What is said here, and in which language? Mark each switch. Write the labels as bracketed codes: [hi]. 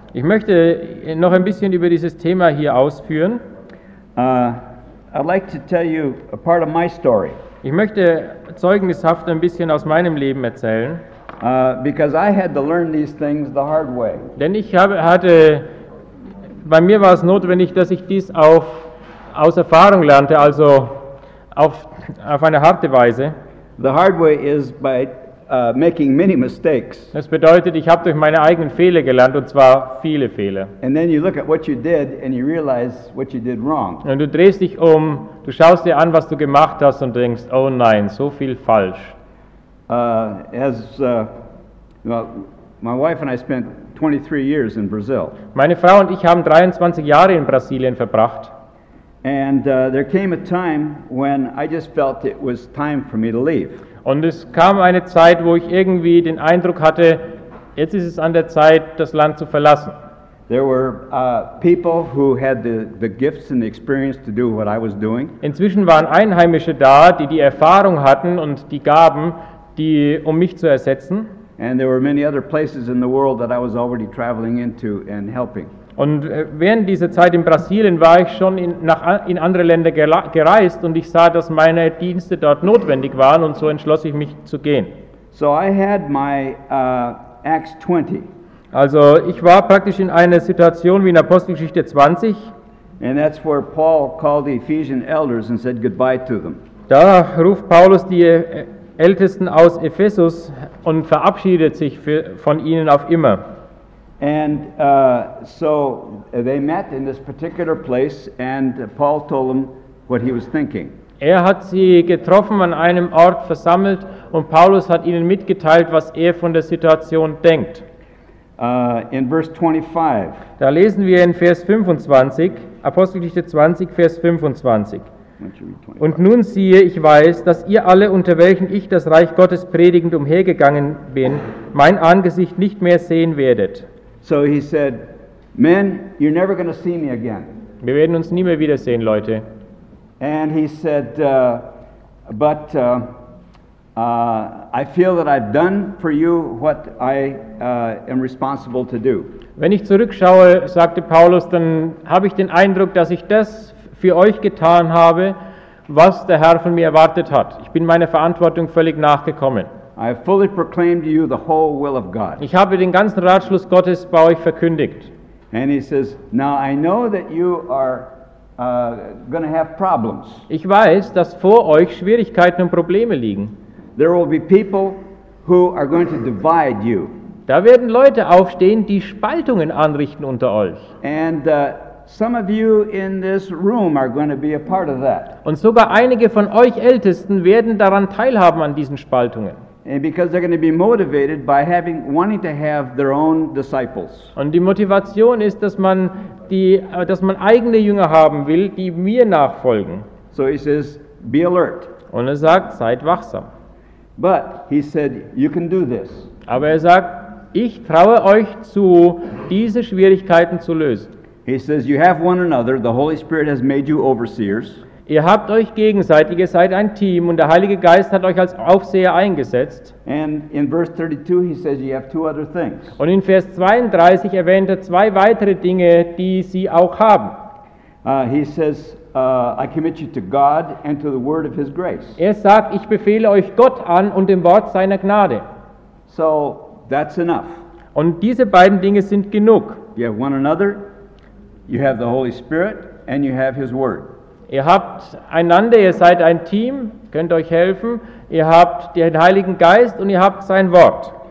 [de] Ich möchte noch ein bisschen über dieses Thema hier ausführen. [en] I'd like to tell you a part of my story. [de] Ich möchte zeugnishaft ein bisschen aus meinem Leben erzählen. [en] Because I had to learn these things the hard way. [de] Denn ich hatte, bei mir war es notwendig, dass ich dies auf aus Erfahrung lernte, also auf eine harte Weise. [en] The hard way is by making many mistakes. [de] Das bedeutet, ich habe durch meine eigenen Fehler gelernt, und zwar viele Fehler. [en] And then you look at what you did and you realize what you did wrong. [de] Und du drehst dich um, du schaust dir an, was du gemacht hast und denkst, oh nein, so viel falsch. [en] My wife and I spent 23 years in Brazil. [de] Meine Frau und ich haben 23 Jahre in Brasilien verbracht. [en] And there came a time when I just felt it was time for me to leave. [de] Und es kam eine Zeit, wo ich irgendwie den Eindruck hatte, jetzt ist es an der Zeit, das Land zu verlassen. [en] There were people who had the gifts and the experience to do what I was doing. [de] Inzwischen waren Einheimische da, die die Erfahrung hatten und die Gaben, die um mich zu ersetzen. [en] And there were many other places in the world that I was already traveling into and helping. [de] Und während dieser Zeit in Brasilien war ich schon in andere Länder gereist und ich sah, dass meine Dienste dort notwendig waren und so entschloss ich mich zu gehen. [en] So I had my, Acts 20. [de] Also ich war praktisch in einer Situation wie in Apostelgeschichte 20. [en] And that's where Paul called the Ephesian elders and said goodbye to them. [de] Da ruft Paulus die Ältesten aus Ephesus und verabschiedet sich von ihnen auf immer. [en] And so they met in this particular place, and Paul told them what he was thinking. [de] Er hat sie getroffen an einem Ort versammelt, und Paulus hat ihnen mitgeteilt, was er von der Situation denkt. [en] In verse 25. [de] Da lesen wir in Vers 25, Apostelgeschichte 20, Vers 25. Und nun siehe, ich weiß, dass ihr alle, unter welchen ich das Reich Gottes predigend umhergegangen bin, mein Angesicht nicht mehr sehen werdet. [en] So he said, "Men, you're never going to see me again." [de] Wir werden uns nie mehr wiedersehen, Leute. [en] And he said, "But I feel that I've done for you what I am responsible to do." [de] Wenn ich zurückschaue, sagte Paulus, dann habe ich den Eindruck, dass ich das für euch getan habe, was der Herr von mir erwartet hat. Ich bin meiner Verantwortung völlig nachgekommen. [en] I have fully proclaimed to you the whole will of God. [de] Ich habe den ganzen Ratschluss Gottes bei euch verkündigt. [en] And he says, "Now I know that you are going to have problems." [de] Ich weiß, dass vor euch Schwierigkeiten und Probleme liegen. [en] There will be people who are going to divide you. [de] Da werden Leute aufstehen, die Spaltungen anrichten unter euch. [en] And some of you in this room are going to be a part of that. [de] Und sogar einige von euch Ältesten werden daran teilhaben an diesen Spaltungen. [en] And because they're going to be motivated by having wanting to have their own disciples. [de] Und die Motivation ist, dass man eigene Jünger haben will, die mir nachfolgen. [en] So he says, "Be alert." [de] Und sagt, seid wachsam. [en] But he said, "You can do this." [de] Aber sagt, ich traue euch zu, diese Schwierigkeiten zu lösen. [en] He says, "You have one another. The Holy Spirit has made you overseers." [de] Ihr habt euch gegenseitig, ihr seid ein Team und der Heilige Geist hat euch als Aufseher eingesetzt. [en] And in verse 32 he says you have two other things. [de] Und in Vers 32 erwähnt er zwei weitere Dinge, die sie auch haben. [en] He says, "I commit you to God and to the word of his grace." [de] Er sagt, ich befehle euch Gott an und dem Wort seiner Gnade. [en] So that's enough. [de] Und diese beiden Dinge sind genug. [en] You have one another, you have the Holy Spirit and you have his word. [de] Ihr habt einander, ihr seid ein Team, könnt euch helfen. Ihr habt den Heiligen Geist und ihr habt sein Wort.